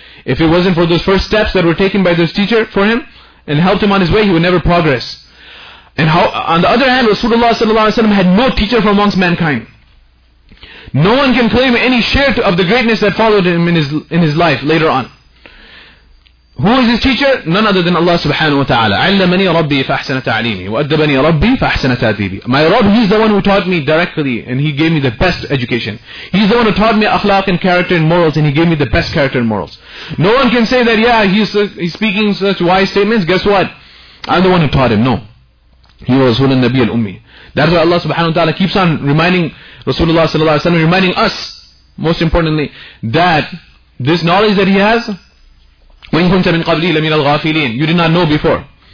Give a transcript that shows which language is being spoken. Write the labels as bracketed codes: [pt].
[en] If it wasn't for those first steps that were taken by this teacher for him and helped him on his way, he would never progress. And how, on the other hand, Rasulullah sallallahu alaihi wasallam had no teacher from amongst mankind. No one can claim any share of the greatness that followed him in his life later on. Who is his teacher? None other than Allah subhanahu wa ta'ala. [ar] علمني ربي فأحسن تعليمي وأدبني ربي فأحسن تأديبي. [en] My Rabb, he's the one who taught me directly and he gave me the best education. He's the one who taught me akhlaq and character and morals and he gave me the best character and morals. No one can say that, yeah, he's speaking such wise statements. Guess what? I'm the one who taught him. No. He was Rasul al-Nabi al-Ummi. That's why Allah subhanahu wa ta'ala keeps on reminding Rasulullah sallallahu alayhi wa sallam, reminding us, most importantly, that this knowledge that he has, [ar] وَإِنْ كُنْتَ مِنْ قَبْلِهِ لَمِنَ الْغَافِلِينَ. [en] You did not know before.